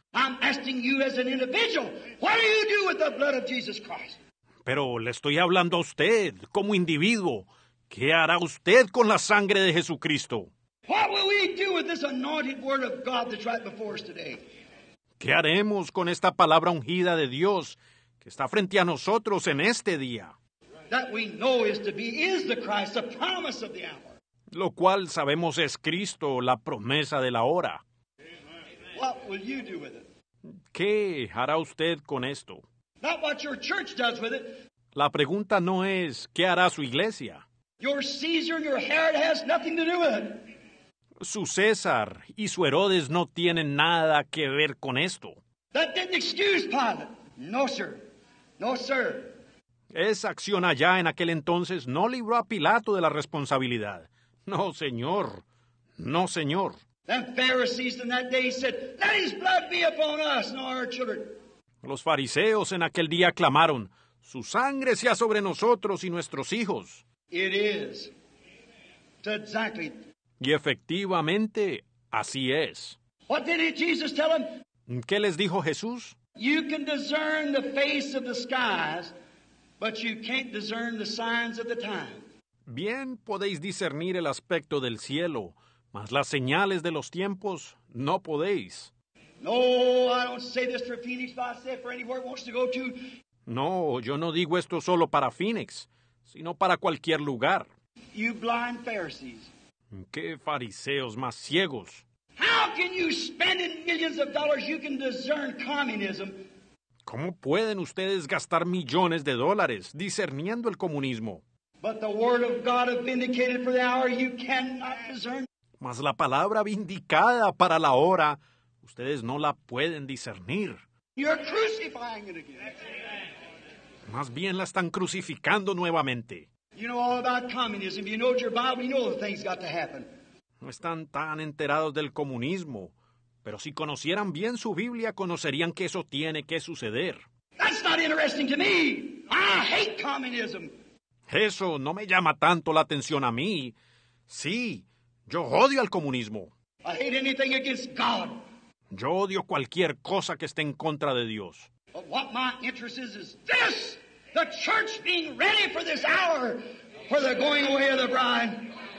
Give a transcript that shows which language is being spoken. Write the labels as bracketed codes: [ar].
[en] I'm asking you as an individual, what do you do with the blood of Jesus Christ? [es] Pero le estoy hablando a usted, como individuo. ¿Qué hará usted con la sangre de Jesucristo? [en] What will we do with this anointed word of God that's right before us today? [es] ¿Qué haremos con esta palabra ungida de Dios que está frente a nosotros en este día? [en] That we know is to be is the Christ, the promise of the hour. [es] Lo cual sabemos es Cristo, la promesa de la hora. [en] Amen. What will you do with it? [es] ¿Qué hará usted con esto? [en] Not what your church does with it. [es] La pregunta no es ¿qué hará su iglesia? [en] Your Caesar, your Herod has nothing to do with it. [es] Su César y su Herodes no tienen nada que ver con esto. [en] That didn't excuse Pilate. No, sir. No, sir. [es] Esa acción allá en aquel entonces no libró a Pilato de la responsabilidad. No, señor. No, señor. [en] The Pharisees in that day said, "Let his blood be upon us and our children." [es] Los fariseos en aquel día clamaron, "Su sangre sea sobre nosotros y nuestros hijos." [en] It is. That's exactly. [es] Y efectivamente, así es. [en] What did Jesus tell them? [es] ¿Qué les dijo Jesús? [en] You can discern the face of the skies, but you can't discern the signs of the time. [es] Bien, podéis discernir el aspecto del cielo, mas las señales de los tiempos no podéis. [en] No, I don't say this for Phoenix, but I say it for anywhere it wants to go to. [es] No, yo no digo esto solo para Phoenix, sino para cualquier lugar. [en] You blind Pharisees. [es] ¡Qué fariseos más ciegos! [en] How can you spend millions of dollars you can discern communism? [es] ¿Cómo pueden ustedes gastar millones de dólares discerniendo el comunismo? [en] But the word of God is vindicated for the hour you cannot discern. [es] Mas la palabra vindicada para la hora, ustedes no la pueden discernir. [en] You're crucifying it again. [es] Más bien la están crucificando nuevamente. [en] You know all about communism. You know your Bible. You know the things got to happen. [es] No están tan enterados del comunismo, pero si conocieran bien su Biblia, conocerían que eso tiene que suceder. [en] That's not interesting to me. I hate communism. [es] Eso no me llama tanto la atención a mí. Sí, yo odio al comunismo. [en] I hate anything against God. [es] Yo odio cualquier cosa que esté en contra de Dios. [en] But what my interest is this, the church being ready for this hour, for the going away of the bride.